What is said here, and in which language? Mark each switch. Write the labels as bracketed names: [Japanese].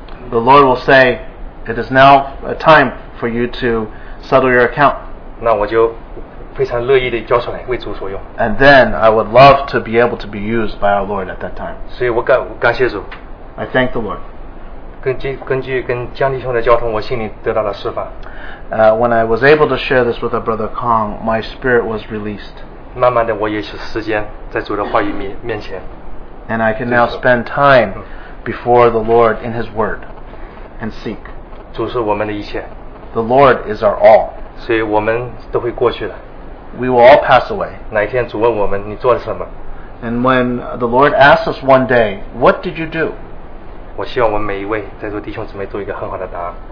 [English] The Lord will say, it is now a time for you to settle your account. [Chinese] 那我就非常乐意地交出来为主所用。 [English] And then I would love to be able to be used by our Lord at that time. [Chinese] 所以我感谢主。 [English] I thank the Lord. [Chinese] 根据跟江弟兄的交通，我心里得到了释放。 [English] When I was able to share this with our brother Kong, my spirit was released. [Chinese] 慢慢的，我也有时间在主的话语面前。 [English] And I can now spend time before the Lord in His Word and seek. [Chinese] 主是我们的一切。 [English] The Lord is our all. [Chinese] 所以我们都会过去的。 [English] We will all pass away. [Chinese] 哪一天主问我们你做了什么? [English] And when the Lord asks us one day, what did you do? [Chinese] 我希望我们每一位在座弟兄姊妹做一个很好的答案。